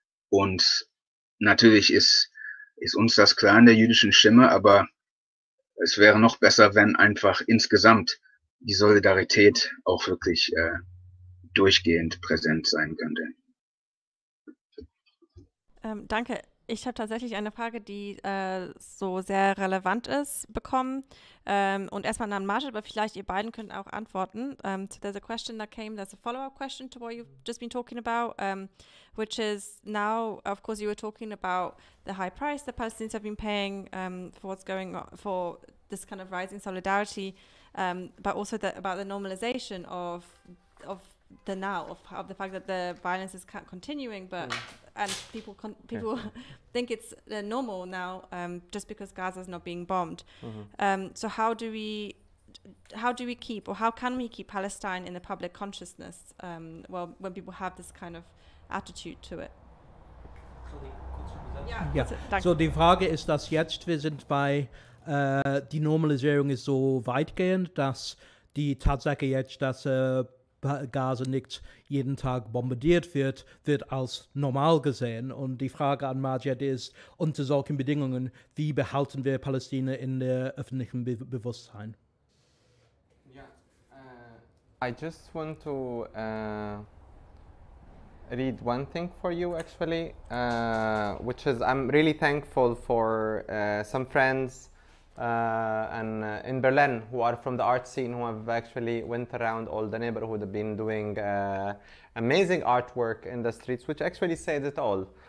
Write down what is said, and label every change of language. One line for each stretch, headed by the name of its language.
German: Und natürlich ist uns das klar in der jüdischen Stimme, aber es wäre noch besser, wenn einfach insgesamt die Solidarität auch wirklich durchgehend präsent sein könnte. Danke. Ich habe tatsächlich eine Frage, die so sehr relevant ist, bekommen. Und erstmal an Marshall, aber vielleicht ihr beiden könnt auch antworten.
English: So there's a question that came, there's a follow-up question to what you've just been talking about, which is now, of course, you were talking about the high price the Palestinians have been paying for what's going on, for this kind of rising solidarity. But also about the normalization of the now, of the fact that the violence is continuing, but and people think it's normal now, just because Gaza is not being bombed. Mm-hmm. So how do we keep, or how can we keep Palestine in the public consciousness? Well, when people have this kind of attitude to it. Yeah.
German: So die Frage ist, dass jetzt wir sind bei die Normalisierung ist so weitgehend, dass die Tatsache jetzt, dass Gaza nicht jeden Tag bombardiert wird, wird als normal gesehen. Und die Frage an Majed ist, unter solchen Bedingungen, wie behalten wir Palästina in der öffentlichen Bewusstsein?
English: I just want to read one thing for you, actually, which is I'm really thankful for some friends and in Berlin, who are from the art scene, who have actually went around all the neighborhood, have been doing amazing artwork in the streets, which actually says it all.